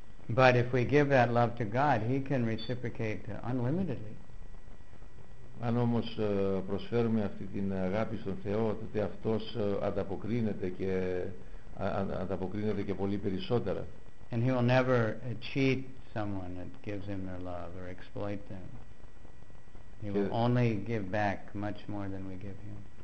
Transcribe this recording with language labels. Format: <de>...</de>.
<en>But if we give that love to God, He can reciprocate unlimitedly.</en> <el>Αν όμως προσφέρουμε αυτή την αγάπη στον Θεό, τότε αυτός ανταποκρίνεται και πολύ περισσότερα.</el> <en>And he will never cheat someone that gives him their love or exploit them. He will only give back much more than we give him.</en>